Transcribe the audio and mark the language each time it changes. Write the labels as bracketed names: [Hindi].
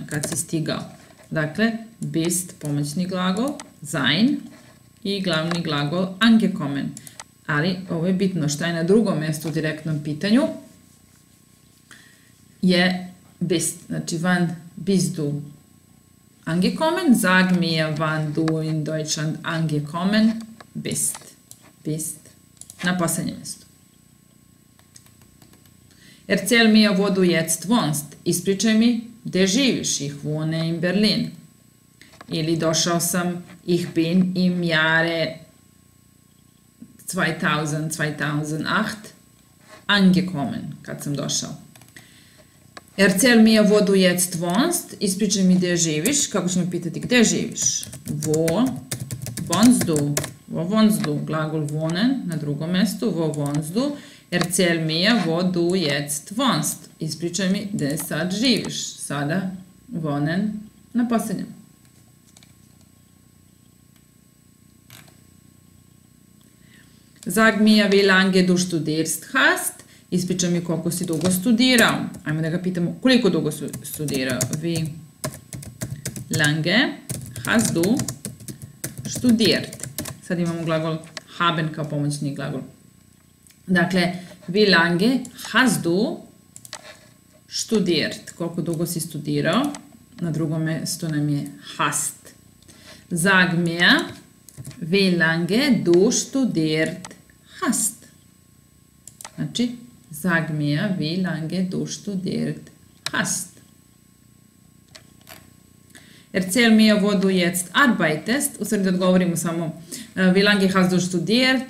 [Bosnian] Kad si stigao. Dakle, bist pomoćni glagol, sein i glavni glagol angekommen. Ali ovo je bitno što je na drugom mjestu u direktnom pitanju. [German] Je bist, znači wann bist du angekommen, sag mir wann du in Deutschland angekommen bist. [Bosnian] Bist na posljednjem mjestu. [German] Erzähl mir, wo du jetzt wohnst. [Bosnian] Ispričaj mi, gdje živiš? [German] Ich wohne in Berlin. [Bosnian] Ili došao sam, [German] ich bin im Jahre 2008 angekommen, [Bosnian] kad sam došao. [German] Erzähl mir, wo du jetzt wohnst. [Bosnian] Ispričaj mi gdje živiš. Kako ćemo pitati gdje živiš? [German] Wo wohnst du? Wo wohnst du? [Bosnian] Glagol wohnen na drugom mjestu. [German] Wo wohnst du? Erzähl mir, wo du jetzt wohnst. [Bosnian] Ispričaj mi gdje sad živiš. Sada wohnen na posljednjem. [German] Sag mir, wie lange du studierst hast. [Bosnian] Ispričaj mi koliko si dugo studirao. Ajmo da ga pitamo koliko dugo si studirao. [German] Wie lange hast du studiert? [Bosnian] Sad imamo glagol haben kao pomoćni glagol. Dakle, [German] wie lange hast du studiert? [Bosnian] Koliko dugo si studirao? Na drugom mjestu nam je hast. [German] Sag mir, wie lange du studiert hast. Znači, sag mir, wie lange du studiert hast. Erzähl mir, wo du jetzt arbeitest. [Bosnian] U stvari da odgovorimo samo, [German] wie lange hast du studiert?